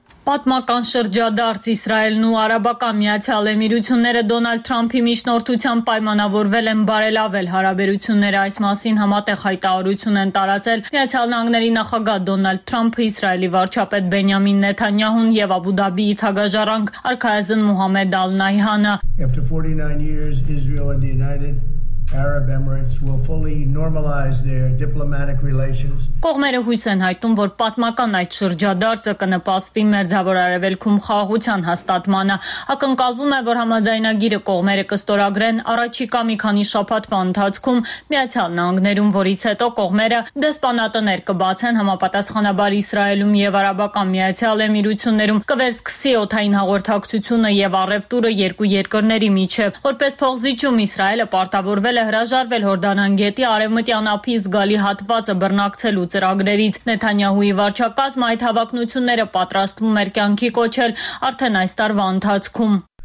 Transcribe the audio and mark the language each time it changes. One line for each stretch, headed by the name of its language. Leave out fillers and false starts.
Armenian: Պատմական շրջադարձ Իսրայելն ու Արաբական Միացյալ Էմիրությունները Դոնալդ Թրամփի միջնորդությամբ պայմանավորվել են բարելավել հարաբերությունները, այս մասին համատեղ հայտարարություն են տարածել Միացյալ Նահանգների նախագահ Դոնալդ Թրամփը, Իսրայելի վարչապետ Բենյամին Նեթանյահուն եւ Աբու Դաբիի թագաժառանգ արքայազն Մուհամեդ Ալ Նահյանը։
English: After 49 years Israel and the United Arab Emirates will fully normalize their diplomatic relations.
Armenian: Կողմերը հույս են հայտնում, որ պատմական այդ շրջադարձը կնպաստի մերձավոր արևելքում խաղաղության հաստատմանը։ Ակնկալվում է, որ համաձայնագիրը կողմերը կստորագրեն առաջիկա մի քանի շաբաթվա ընթացքում Միացյալ Նահանգներում, որից հետո կողմերը դեսպանատներ կբացեն համապատասխանաբար Իսրայելում եւ Արաբական Միացյալ Էմիրություններում, կվերսկսի օթային հաղորդակցությունը եւ առևտուրը երկու երկրների միջեւ, որպես փողզիչում Իսրայելը պարտավոր որվել է հրաժարվել Հորդանանգետի արևմտյան ափի զգալի հատվածը բռնակցելու ծրագրերից։ Նեթանյահուի վարչակազմը այդ հավակնությունները պատրաստվում էր կյանքի կոչել արդեն այս տարվա ընթացքում։